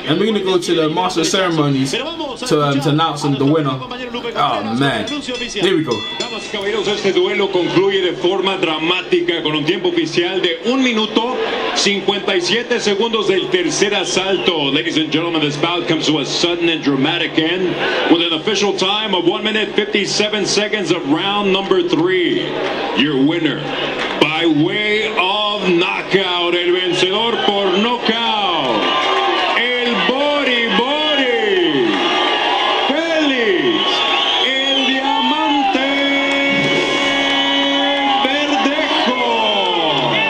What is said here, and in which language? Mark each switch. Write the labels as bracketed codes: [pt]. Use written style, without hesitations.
[en] And we're going to go to the Master of Ceremonies to announce him the winner. Oh, man. There we go. [es] Damas y caballeros, este duelo concluye de forma dramática con un tiempo oficial de 1 minuto 57 segundos del tercer asalto. [en] Ladies and gentlemen, this bout comes to a sudden and dramatic end with an official time of 1 minute 57 seconds of round number 3. Your winner by way of knockout, [es] el vencedor por knockout, [en] el Body Body, Félix, el Diamante Verdejo.